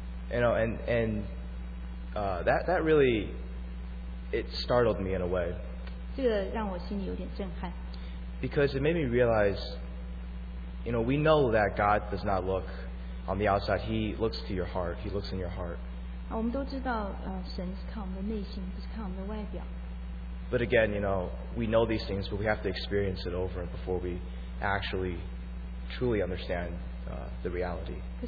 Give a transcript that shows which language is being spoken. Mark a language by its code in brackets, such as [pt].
[en] You know, and that really it startled me in a way. [zh] 这个让我心里有点震撼。 [en] Because it made me realize, you know, we know that God does not look on the outside; He looks to your heart. He looks in your heart. [zh] 我们都知道，神是看我们的内心，不是看我们的外表。 [en] But again, you know, we know these things, but we have to experience it over and before we actually truly understand the reality.